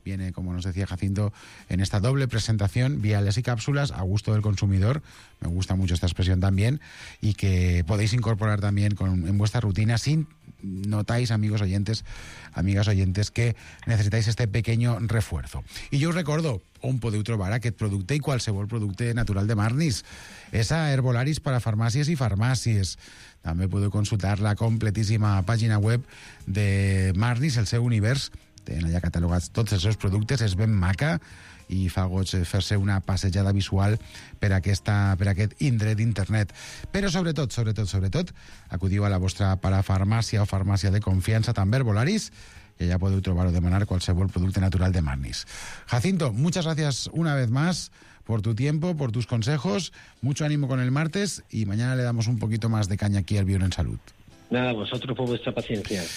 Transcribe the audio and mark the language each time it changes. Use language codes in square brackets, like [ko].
[es] Viene, como nos decía Jacinto, en esta doble presentación, viales y cápsulas, a gusto del consumidor. Me gusta mucho esta expresión también, y que podéis incorporar también en vuestra rutina sin... Notáis, amigos oyentes, amigas oyentes, que necesitáis este pequeño refuerzo. Y yo os recuerdo, [ca] un podeu trobar aquest producte i qualsevol producte natural de Marnis. És a Herbolaris para farmàcies i farmàcies. També podeu consultar la completíssima pàgina web de Marnis, el seu univers. Tenen allà catalogats tots els seus productes, és ben maca, i fa goig fer-se una passejada visual per aquest indret d'internet. Però sobretot, acudiu a la vostra parafarmàcia o farmàcia de confiança, també Herbolaris, i allà podeu trobar o demanar qualsevol producte natural de Marnis. [es] Jacinto, muchas gracias una vez más por tu tiempo, por tus consejos, mucho ánimo con el martes, y mañana le damos un poquito más de caña aquí al Bio en Salud. Nada, vosotros por vuestra paciencia.